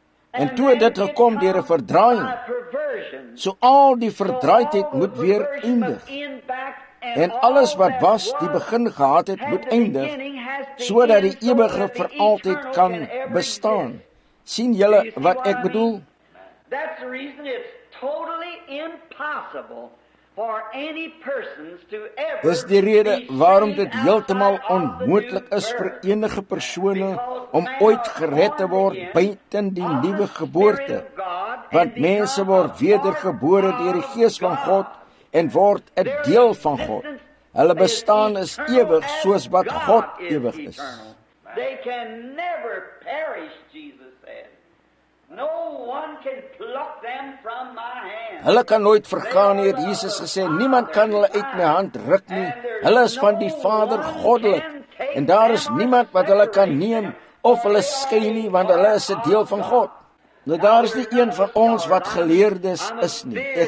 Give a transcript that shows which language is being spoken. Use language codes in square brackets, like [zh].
[af] En toe het dit gekom deur 'n verdraaiing. So al die verdraaidheid moet weer eindig. En alles wat was, die begin gehad het, moet eindig, sodat die ewige vir altyd kan bestaan. Sien julle wat ek bedoel? [en] That's the reason it's totally impossible for any persons to ever. [af] Dis die rede waarom dit heeltemal onmoontlik is vir enige persone om ooit gered te word buiten die nuwe geboorte. Want mense word wedergebore deur die Gees van God en word 'n deel van God. Hulle bestaan is ewig soos wat God ewig is. [en] They can never perish, Jesus said. No one can pluck them from my hand. [af] Hulle kan nooit vergaan nie, het Jesus gesê. Niemand kan hulle uit my hand ruk nie. Hulle is van die Vader goddelik. En daar is niemand wat hulle kan neem of hulle skei nie, want hulle is 'n deel van God. Nou, daar is nie een van ons wat geleerdes is nie.